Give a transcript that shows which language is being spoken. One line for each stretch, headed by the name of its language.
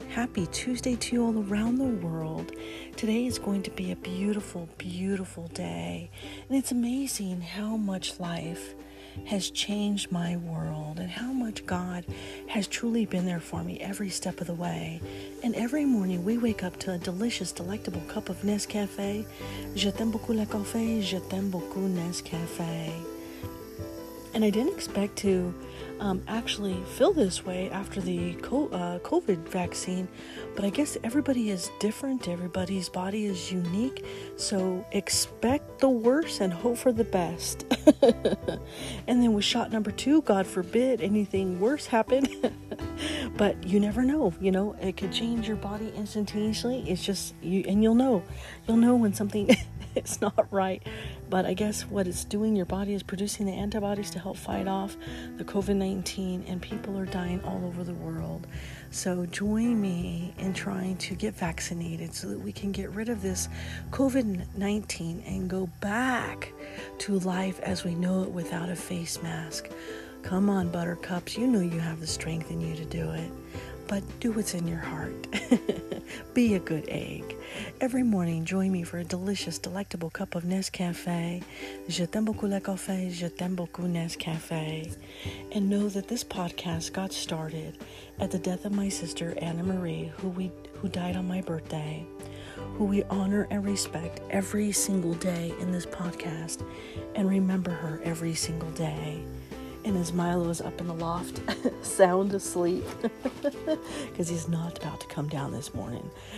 English: Happy Tuesday to you all around the world. Today is going to be a beautiful, beautiful day. And it's amazing how much life has changed my world and how much God has truly been there for me every step of the way. And every morning we wake up to a delicious, delectable cup of Nescafe.
French: Je t'aime beaucoup le café, je t'aime beaucoup Nescafe.
English: And I didn't expect to actually feel this way after the COVID vaccine, but I guess everybody is different. Everybody's body is unique. So expect the worst and hope for the best. And then with shot number two, God forbid anything worse happen. But you never know, you know, it could change your body instantaneously. It's just you, and you'll know when something is not right. But I guess what it's doing, your body is producing the antibodies to help fight off the COVID-19, and people are dying all over the world. So join me in trying to get vaccinated so that we can get rid of this COVID-19 and go back to life as we know it without a face mask. Come on, buttercups, you know you have the strength in you to do it, but do what's in your heart. Be a good egg. Every morning, join me for a delicious, delectable cup of Nescafe.
French: Je t'aime beaucoup le café, je t'aime beaucoup Nescafe.
English: And know that this podcast got started at the death of my sister, Anna Marie, who died on my birthday, who we honor and respect every single day in this podcast, and remember her every single day. And as Milo is up in the loft, sound asleep, because he's not about to come down this morning.